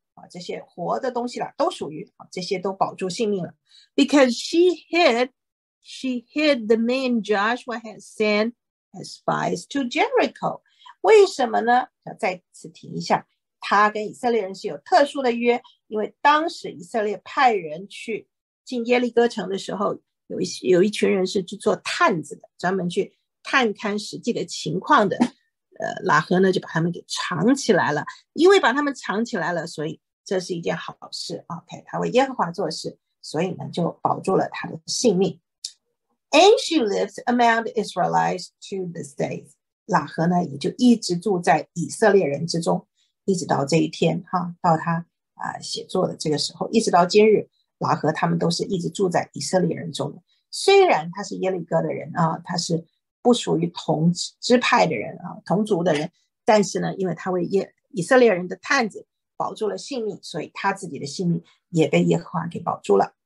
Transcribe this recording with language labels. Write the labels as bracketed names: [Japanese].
[Chinese] 啊、这些活的东西啦都属于、啊、这些都保住性命了。 [English] Because she hid the man Joshua had sent as spies to Jericho. [Chinese] 为什么呢？要再次提一下，他跟以色列人是有特殊的约，因为当时以色列派人去进耶利哥城的时候，有一群人是去做探子的，专门去探勘实际的情况的。拉合呢就把他们给藏起来了，因为把他们藏起来了，所以这是一件好事。 OK， 他为耶和华做事，所以呢就保住了他的性命。 [English] And she lives among the Israelites to this day. [Chinese] 拉合呢也就一直住在以色列人之中，一直到这一天哈，到他、写作的这个时候，一直到今日，拉合他们都是一直住在以色列人中的。虽然他是耶利哥的人啊，他是不属于同支派的人啊，同族的人，但是呢，因为他为以色列人的探子保住了性命，所以他自己的性命也被耶和华给保住了。